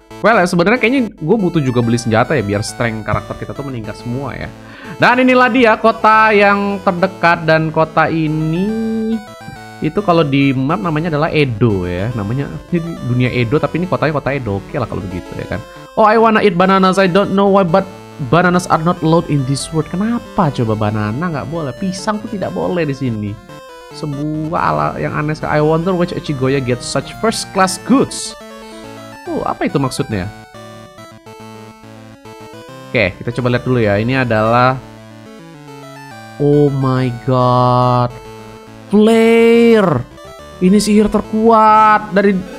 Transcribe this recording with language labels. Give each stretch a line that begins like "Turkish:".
Indonesian: Well, sebenarnya kayaknya gue butuh juga beli senjata ya biar strength karakter kita tuh meningkat semua ya. Dan inilah dia kota yang terdekat dan kota ini itu kalau di map namanya adalah Edo ya. Namanya ini dunia Edo tapi ini kotanya kota Edo. Oke lah kalau begitu ya kan.
English: Oh, I wanna eat bananas. I don't know why but bananas are not allowed in this world.
Indonesian: Kenapa coba banana nggak boleh? Pisang tuh tidak boleh di sini. Sebuah ala yang aneh sekali.
English: I wonder which Echigoya get such first class goods.
Indonesian: Apa itu maksudnya? Oke, kita coba lihat dulu ya. Ini adalah...
English: Oh my god.
Indonesian: Flare. Ini sihir terkuat dari...